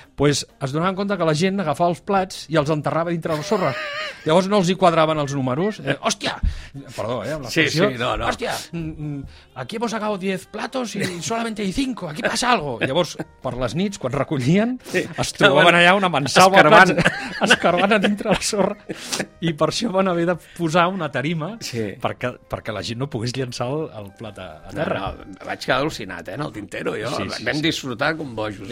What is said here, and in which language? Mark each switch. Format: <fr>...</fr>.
<ca>Pues es donaven compte que la gent agafava els plats i els enterrava dintre la sorra. Llavors no els hi quadraven els números. Hòstia! Perdó, amb la sí, pressió. Sí, no, no. Hòstia!</ca> <es>Aquí hemos sacado 10 platos y solamente hay 5. Aquí pasa algo.</es> <ca>Llavors, per les nits, quan recollien, sí. es trobaven allà una mansalva. Escarbant. Escarbant a dintre la sorra. I per això van haver de posar una tarima sí. perquè la gent no pogués llançar el plat a terra. No, vaig quedar al·lucinat,</ca> <es>en el tintero,</es> <ca>jo. Sí, sí, vam sí. disfrutar com bojos</ca>